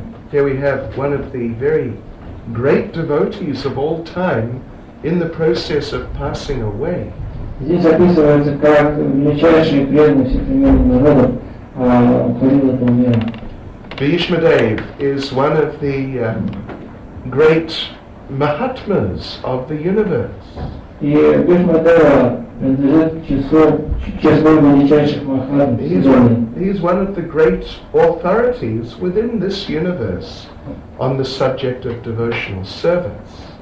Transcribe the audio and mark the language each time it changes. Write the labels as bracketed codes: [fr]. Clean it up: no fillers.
[en] Here we have one of the very great devotees of all time in the process of passing away. [ru] Здесь описывается, как величайший преданный всех времен народов уходил от этого мира. [en] Bhishma Dev is one of the great mahatmas of the universe. [ru] И Bhishma Dev принадлежит к числу величайших махатм. [en] He is one of the great authorities within this universe on the subject of devotional service.